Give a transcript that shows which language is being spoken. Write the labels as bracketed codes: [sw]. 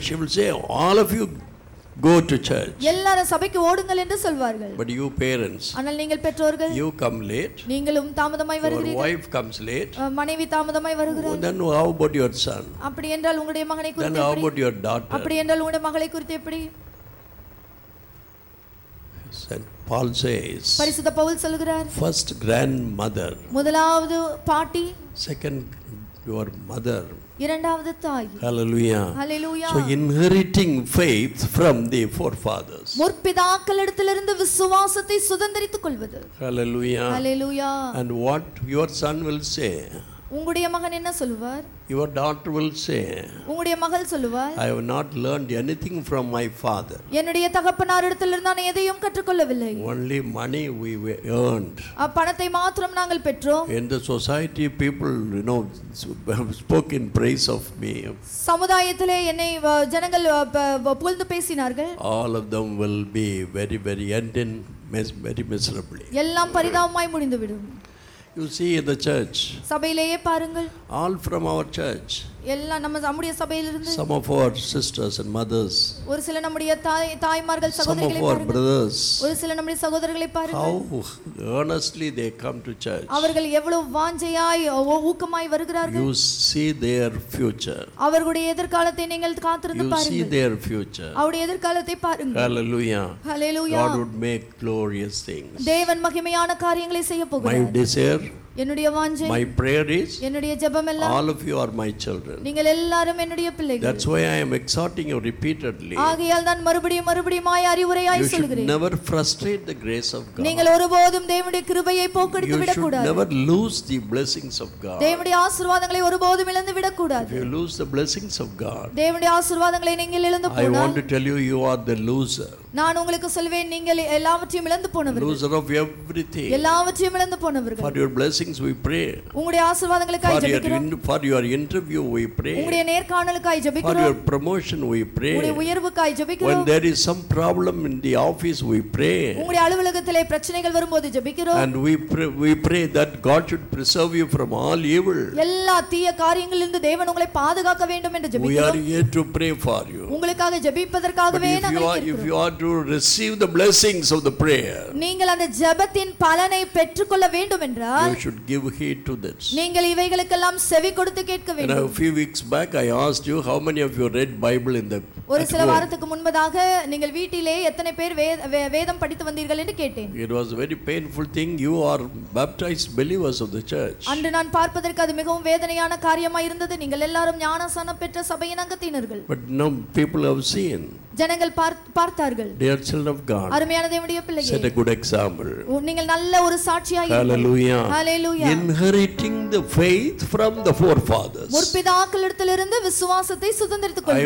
[en] She will say all of you go to church [ta] எல்லார சபைக்கு ஓடுங்கள் என்று சொல்வார்கள் [en] but you parents [ta] ஆனால் நீங்கள் பெற்றோர்கள் [en] you come late [ta] நீங்களும் தாமதமாய் வருகிறீர்கள் [en] your wife comes late [ta] மனைவி தாமதமாய் வருகிறாள் [en] then how about your son [ta] அப்படி என்றால் உங்களுடைய மகனை குறித்து [en] then how about your daughter [ta] அப்படி என்றால் உங்களுடைய மகளை குறித்து எப்படி [en] Paul says [ta] பரிசுத்த பவுல் சொல்கிறார் [en] first grandmother [ta] முதலாவது பாட்டி [en] second your mother [ta] இரண்டாவது தாய் [en] Hallelujah. Hallelujah. So inheriting faith from the forefathers [ta] முற்பிதாக்களிடத்திலிருந்து விசுவாசத்தை சுதந்தரித்துக் கொள்வது [en] Hallelujah. Hallelujah. And what your son will say [ta] உங்களுடைய மகன் என்ன சொல்வார் [en] your daughter will say [ta] உங்களுடைய மகள் சொல்வார் [en] I have not learned anything from my father [ta] என்னுடைய தகப்பனாரிடத்திலிருந்து நான் எதையும் கற்றுக்கொள்ளவில்லை [en] only money we earned [ta] பணத்தை மட்டும் நாங்கள் பெற்றோம் [en] in the society people you know spoke in praise of me [ta] சமூகத்திலே என்னை ஜனங்கள் புகழ்ந்து பேசினார்கள் [en] all of them will be very very end in very miserably [ta] எல்லாம் பரிதாபமாய் முடிந்து விடும் [en] You see in the church. [ta] சபையிலேயே பாருங்கள். [en] All from our church. [ta] எல்லா நம்ம நம்முடைய சபையிலிருந்து. [en] Some of our sisters and mothers. [ta] ஒரு சில நம்முடைய தாய்மார்கள் சகோதரிகளை பாருங்கள். [en] Some of our brothers. [ta] ஒரு சில நம்முடைய சகோதரர்களை பாருங்கள். [en] How earnestly they come to church. [ta] அவர்கள் எவ்வளவு வாஞ்சையாய் ஊக்கமாய் வருகிறார்கள். [en] You see their future. [ta] அவர்களுடைய எதிர்காலத்தை நீங்கள் காத்திருந்து பாருங்கள். [en] You see their future. [ta] அவருடைய எதிர்காலத்தை பாருங்கள். [en] Hallelujah. Hallelujah. God would make glorious things. [ta] தேவன் மகிமையான காரியங்களை செய்ய போகிறார். [en] My desire [ta] என்னுடைய வாஞ்சை [en] my prayer is [ta] என்னுடைய ஜெபம் எல்லாம் [en] all of you are my children [ta] நீங்கள் எல்லாரும் என்னுடைய பிள்ளைகள் [en] that's why I am exhorting you repeatedly [ta] ஆகையால் தான் மறுபடியும் ஆய் அறிவுரையாய் சொல்கிறேன் [en] you should never frustrate the grace of god [ta] நீங்கள் ஒருபோதும் தேவனுடைய கிருபையை போக்கடித்து விடக்கூடாது [en] you should never lose the blessings of god [ta] தேவனுடைய ஆசீர்வாதங்களை ஒருபோதும் இழந்து விடக்கூடாது [en] you lose the blessings of god [ta] தேவனுடைய ஆசீர்வாதங்களை நீங்கள் இழந்து போனால் [en] I want to tell you are the loser [ta] நான் உங்களுக்கு சொல்வேன் நீங்கள் எல்லாவற்றையும் இழந்து போனவர்கள் [en] loser of everything [ta] எல்லாவற்றையும் இழந்து போனவர்கள் [en] for your blessing things we pray [ta] உங்களுடைய ஆசீர்வாதங்களுக்காய் ஜெபிக்கிறோம் [en] for your interview we pray [ta] உங்களுடைய நேர்காணலுக்காய் ஜெபிக்கிறோம் [en] for your promotion we pray [ta] உங்களுடைய உயர்வுக்காய் ஜெபிக்கிறோம் [en] when there is some problem in the office we pray [ta] உங்களுடைய அலுவலகத்திலே பிரச்சனைகள் வரும்போது ஜெபிக்கிறோம் [en] and we pray that god should preserve you from all evil [ta] எல்லா தீய காரியங்களிலிருந்து தேவன் உங்களை பாதுகாக்க வேண்டும் என்று ஜெபிக்கிறோம் [en] we are here to pray for you [ta] உங்களுக்காக ஜெபிப்பதற்காகவே நாங்கள் இருக்கிறோம் [en] if you are to receive the blessings of the prayer [ta] நீங்கள் அந்த ஜெபத்தின் பலனை பெற்றுக்கொள்ள வேண்டும் என்றால் [en] You should give heed to this. [ta] நீங்கள் இவைகளுக்கெல்லாம் செவி கொடுத்து கேட்க வேண்டும். [en] A few weeks back I asked you how many of you read Bible in the [ta] ஒரு சில வாரத்துக்கு முன்பதாக நீங்கள் வீட்டிலே எத்தனை பேர் வேதம் படித்து வந்தீர்கள் என்று கேட்டேன். [en] It was a very painful thing you are baptized believers of the church. [ta] அன்று நான் பார்ப்பதற்கு அது மிகவும் வேதனையான காரியமாக இருந்தது. நீங்கள் எல்லாரும் ஞானஸ்நானம் பெற்ற சபையின் அங்கத்தினர்கள். [en] But now people have seen [ta] ஜனங்கள் பார்த்தார்கள் [en] Dear children of God [ta] அருமையான தேவனுடைய பிள்ளைகளே [en] Set a good example [ta] நீங்கள் நல்ல ஒரு சாட்சியாக இருங்கள் Hallelujah [en] Hallelujah Inheriting the faith from the forefathers [ta] முற்பிதாக்களிடத்திலிருந்து விசுவாசத்தை சுதந்தரித்துக் கொண்டேன்